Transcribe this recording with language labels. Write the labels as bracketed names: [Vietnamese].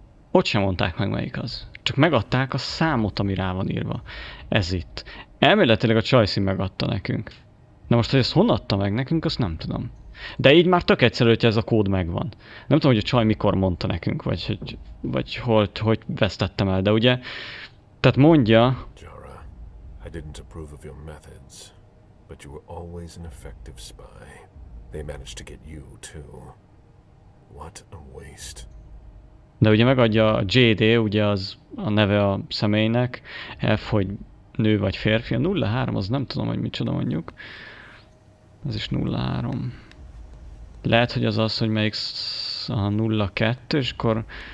[Hungarian] Ott sem mondták meg, melyik az. Csak megadták a számot, ami rá van írva. Ez itt. Elméletileg a Chelsea megadta nekünk. Na most, hogy ezt honnan adta meg nekünk, azt nem tudom. De így már tök egyszerű, hogy ez a kód megvan. Nem tudom, hogy a csaj mikor mondta nekünk, vagy hogy vesztettem el, de ugye... Tehát mondja... [English] Jara, I didn't approve of your methods, but you were always an effective spy. They managed to get you too. What a waste. [Hungarian] De ugye megadja a JD, ugye az a neve a személynek, F, hogy nő vagy férfi, a 03, az nem tudom, hogy micsoda mondjuk. Ez is 03. Lehet, hogy az az, hogy melyik a 02, és akkor